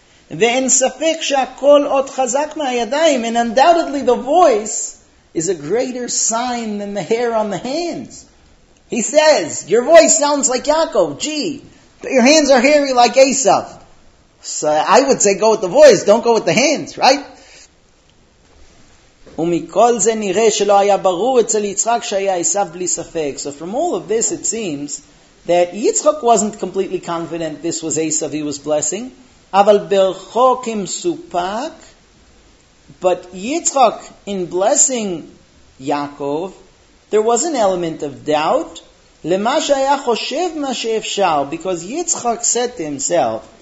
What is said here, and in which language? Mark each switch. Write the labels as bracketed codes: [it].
[en] And undoubtedly the voice is a greater sign than the hair on the hands. He says, your voice sounds like Yaakov, gee, but your hands are hairy like Esav. So I would say go with the voice, don't go with the hands, right? [he] ומכל זה נראה שלא היה ברור אצל יצחק שהיה עשיו בלי ספק. [en] So from all of this it seems that Yitzchak wasn't completely confident this was Esav he was blessing. [he] אבל ברחוק עם סופק, [en] but Yitzchak in blessing Yaakov, there was an element of doubt, [he] למה שהיה חושב מה שאפשר, [en] because Yitzchak said to himself,